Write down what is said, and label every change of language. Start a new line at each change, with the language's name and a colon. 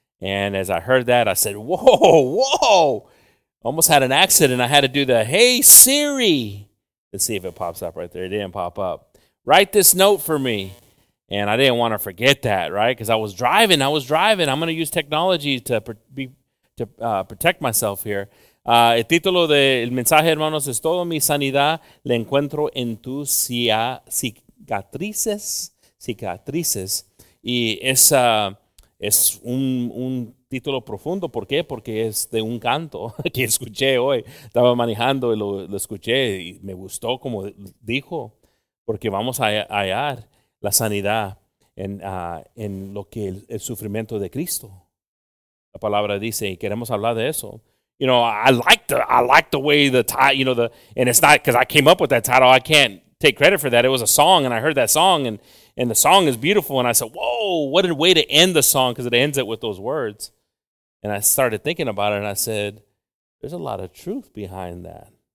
English: And as I heard that, I said, whoa, almost had an accident. I had to do the Hey Siri. Let's see if it pops up right there. It didn't pop up. Write this note for me. And I didn't want to forget that, right? Because I was driving. I'm going to use technology to protect myself here.
Spanish: El título del mensaje, hermanos, es Todo mi sanidad le encuentro en tus cicatrices. Y es un título profundo. ¿Por qué? Porque es de un canto que escuché hoy. Estaba manejando y lo escuché y me gustó como dijo, porque vamos a hallar la sanidad en lo que el sufrimiento de Cristo. La palabra dice, y queremos hablar de eso.
English: You know, I like the way the title, you know, the, and it's not because I came up with that title. I can't take credit for that. It was a song, and I heard that song, and the song is beautiful. And I said, whoa, what a way to end the song, because it ends it with those words. And I started thinking about it, and I said, there's a lot of truth behind that.